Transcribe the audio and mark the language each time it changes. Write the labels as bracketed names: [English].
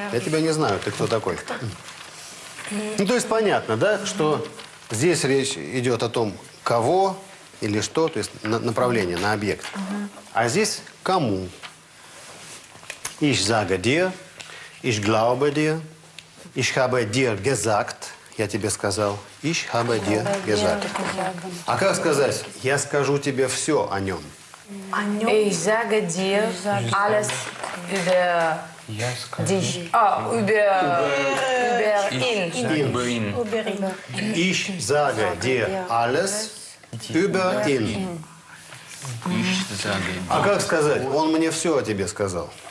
[Russian] Я тебя не знаю, ты кто такой? Ну, то есть понятно, да, что здесь речь идет о том, кого или что, то есть на направление, на объект. А здесь кому? [German] Ich sage dir, ich glaube dir, ich habe dir gesagt. [Russian] Я тебе сказал, [German] ich habe dir gesagt. [Russian] А как сказать, я скажу тебе все о нем? О нем? [German] Ich sage dir alles über dich. Über ihn. Über ihn. Ich sage dir alles über ihn. [Russian] А как сказать, он мне все о тебе сказал?